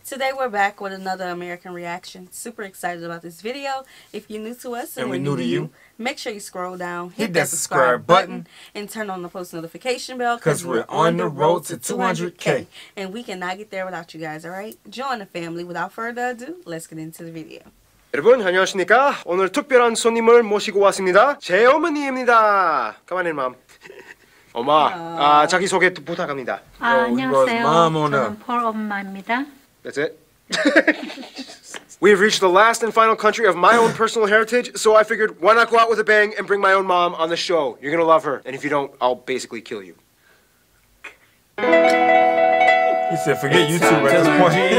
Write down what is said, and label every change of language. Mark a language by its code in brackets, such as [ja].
[en] Today, we're back with another American Reaction. Super excited about this video. If you're new to us, and we're new to you, make sure you scroll down, hit that subscribe button, and turn on the post notification bell, because we're on the road to 200K. And we cannot get there without you guys, all right? Join the family. Without further ado, let's get into the video. [ko] 여러분 안녕하십니까? 오늘 특별한 손님을 모시고 왔습니다. 제 어머니입니다. [en] Come on in, mom. [ko] 엄마, 아, 자기 소개 부탁합니다. 아, 안녕하세요. 저는 폴 엄마입니다. [en] That's it. We've reached the last and final country of my own personal heritage, so I figured why not go out with a bang and bring my own mom on the show. You're gonna love her, and if you don't, I'll basically kill you. He said, forget YouTube at this point.